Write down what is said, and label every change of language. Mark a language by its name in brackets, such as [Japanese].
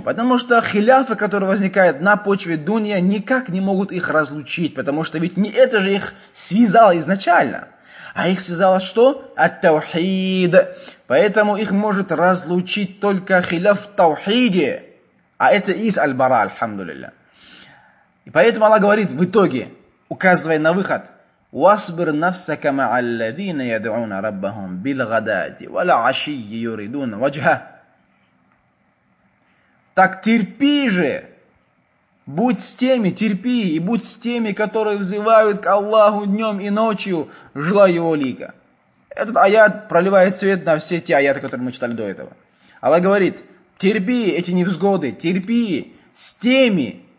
[Russian] Потому что хиляфы, которые возникают на почве дунья, никак не могут их разлучить, потому что ведь не это же их связало изначально, а их связало что? Ат-тавхид. Поэтому их может разлучить только хиляф в тавхиде. А это из аль-бара, альхамдулилля. И поэтому Аллах говорит в итоге, указывая на выход, [Arabic] وَاصْبِرْ نَفْسَكَ مَعَ الَّذِينَ يَدْعُونَ رَبَّهُمْ بِالْغَدَاتِ وَلَا عَشِيِّ يُرِدُونَ وَجْهَ. [Russian] Так терпи же, будь с теми, которые взывают к Аллаху днем и ночью, желая его лика. Этот аят проливает свет на все те аяты, которые мы читали до этого. Аллах говорит, терпи эти невзгоды, терпи с теми.